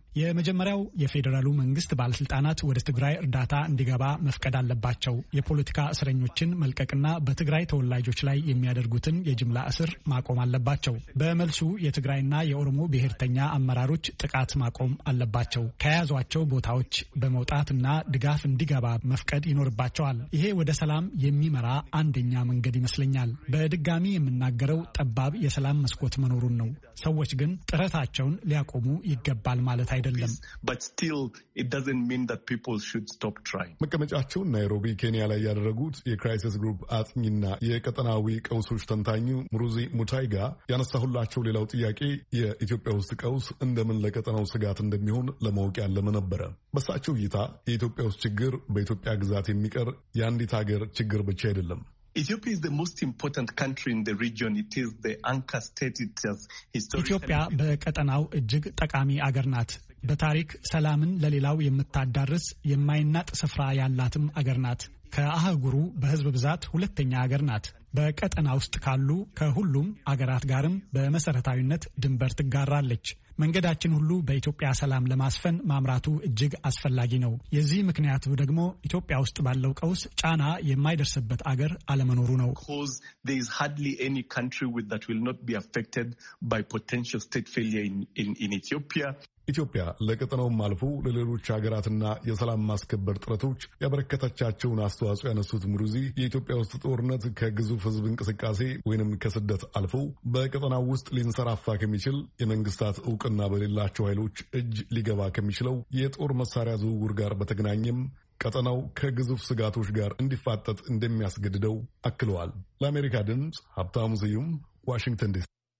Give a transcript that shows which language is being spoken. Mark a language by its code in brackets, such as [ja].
[am] የመጀመሪያው የፌዴራሉ መንግስት ባለስልጣናት ወደ ትግራይ እርዳታ እንዲገባ መፍቀድ አለባቸው። የፖለቲካ እስረኞችን መልቀቅና በትግራይ ተወላጆች ላይ የሚያደርጉትን የጅምላ እስር ማቆም አለባቸው። በመልሱ የትግራይና የኦሮሞ ብሔርተኛ አመራሮች ጥቃት ማቆም አለባቸው። ከያዟቸው ቦታዎች በመውጣትና ድጋፍ እንዲገባ መፍቀድ ይኖርባቸዋል። ይሄ ወደ ሰላም የሚመራ አንደኛ መንገድ ይመስለኛል። በድጋሚ የምናገረው ጠባብ የሰላም መስኮት መኖሩን ነው። ሰዎች ግን ጥረታቸውን ሊያቆሙ ይገባል ማለት አይደለም። [en] But still it doesn't mean that people should stop trying. [am] መቀመጫቸውን ናይሮቢ ኬንያ ላይ ያደረጉት የክራይሲስ ግሩፕ አጥኚና የቀጠናዊ ቀውሶች ተንታኙ ሙርዚ ሙታይጋ ያነሳሁላቸው ሌላው ጥያቄ የኢትዮጵያ ውስጥ ቀውስ እንደምን ለቀጠናው ስጋት እንደሚሆን ለማወቅ ያለመ ነበረ። በሳቸው እይታ የኢትዮጵያ ውስጥ ችግር በኢትዮጵያ ግዛት የሚቀር የአንዲት ሀገር ችግር ብቻ አይደለም። [en] Ethiopia is the most important country in the region. It is the anchor state. It has historically [am] Ethiopia በቀጠናው እጅግ ጠቃሚ አገር ናት። በታሪክ ሰላምን ለሌላው የምትታደርስ የማይናጥ ስፍራ ያላትም አገር ናት። ከአህጉሩ በህዝብ ብዛት ሁለተኛ አገር ናት። በቀጠና ውስጥ ካሉ ከሁሉም አገራት ጋርም በመሰረታዊነት ድንበር ትጋራለች። መንገዳችን ሁሉ በኢትዮጵያ ሰላም ለማስፈን ማምራቱ እጅግ አስፈላጊ ነው። የዚህ ምክንያት ደግሞ ኢትዮጵያ ውስጥ ባለው ቀውስ ጫና የማይደርስበት አገር አለመኖሩ ነው። [en] Because there is hardly any country with that will not be affected by potential state failure in Ethiopia. [am] ኢትዮጵያ ለቀጠናው ማልፎ ለሌሎች ሀገራትና የሰላም ማስከበር ጥረቶች ያበረከታቻቸውን አስተዋጽኦ ያነሱት ምሩዚ የኢትዮጵያ ውስጥ ጦርነት ከግዙፍ ህዝብ እንቅስቃሴ ወይንም ከስደት አልፎ በቀጠናው ውስጥ ሊንሰራፋ ከሚችል የመንግስታት ዕውቅና በሌላቸው ኃይሎች እጅ ሊገባ ከሚችለው የጦር መሳሪያ ዝውውር ጋር በተገናኘም ቀጠናው ከግዙፍ ስጋቶች ጋር እንዲፋጠጥ እንደሚያስገድደው አክለዋል። ለአሜሪካ ድምጽ ሀብታሙ ስዩም ዋሽንግተን ዲሲ።